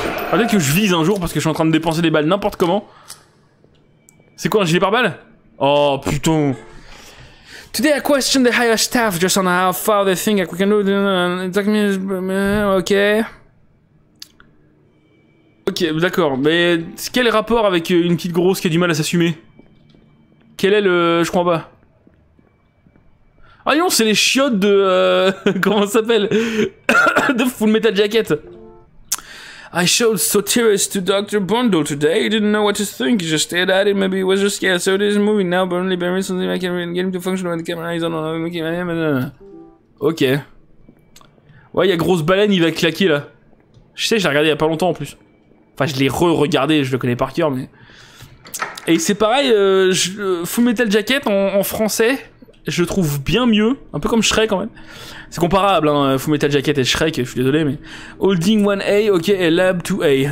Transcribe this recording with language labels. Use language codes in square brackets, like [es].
[fr] Peut-être que je vise un jour parce que je suis en train de dépenser des balles n'importe comment. C'est quoi, un gilet pare-balles? Oh putain. [en] Today I question the higher staff just on how far they think we can do. [fr] Ok, d'accord. Mais quel est rapport avec une petite grosse qui a du mal à s'assumer? Quel est le... Je crois pas. Ah non, c'est les chiottes de... comment ça s'appelle? De [en] Full Metal Jacket. I showed Sotiris to Dr. Bundle today. He didn't know what to think. He just stared at it. Maybe he was just scared. So it is moving now. Burnley buried something. I can't get him to function when the camera is on. [fr] Ok. Ouais, il y a grosse baleine. Il va claquer là. Je sais, je l'ai regardé il y a pas longtemps en plus. Enfin, je l'ai re-regardé. Je le connais par cœur, mais... Et c'est pareil. Full Metal Jacket en français, je trouve bien mieux. Un peu comme Shrek, quand même. C'est comparable, hein, Full Metal Jacket et Shrek, je suis désolé, mais... Holding 1A, ok, et Lab 2A.